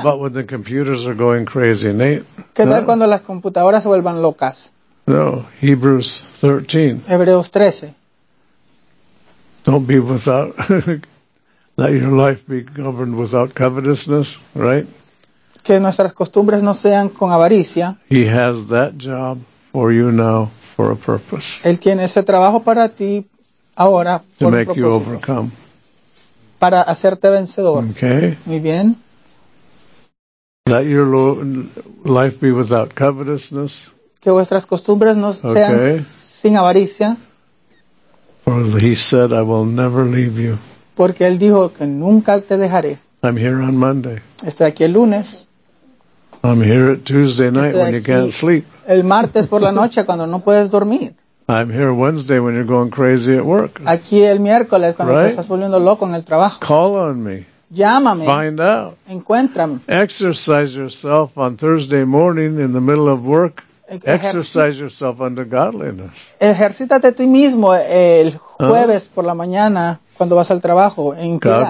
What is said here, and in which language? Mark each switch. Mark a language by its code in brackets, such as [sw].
[en] How about when the computers are going crazy, Nate? [es] ¿Qué tal cuando las computadoras se vuelvan locas? [en] No, Hebrews 13. [es] Hebreos 13. [en] Don't be without, let your life be governed without covetousness, right? [es] Que nuestras costumbres no sean con avaricia. [en] He has that job for you now for a purpose. [es] Él tiene ese trabajo para ti ahora por un propósito. [en] To make you overcome. [es] Para hacerte vencedor. [en] Okay. [es] Muy bien. [en] Let your life be without covetousness. [es] Que vuestras costumbres no sean sin avaricia. [en] For he said, I will never leave you. [es] Porque él dijo que nunca te dejaré. [en] I'm here on Monday. [es] Estoy aquí el lunes. [en] I'm here at Tuesday night [es] Estoy [en] when you can't sleep. [es] El martes por la noche cuando no puedes dormir. [en] I'm here Wednesday when you're going crazy at work. [es] Aquí el miércoles cuando [en] right? [es] te estás volviendo loco en el trabajo. [en] Call on me. [es] Llámame. [en] Find out. [es] Encuéntrame. [en] Exercise yourself on Thursday morning in the middle of work. Exercise yourself unto godliness. [es] Ejercítate tú mismo el jueves por la mañana cuando vas al trabajo en piedad.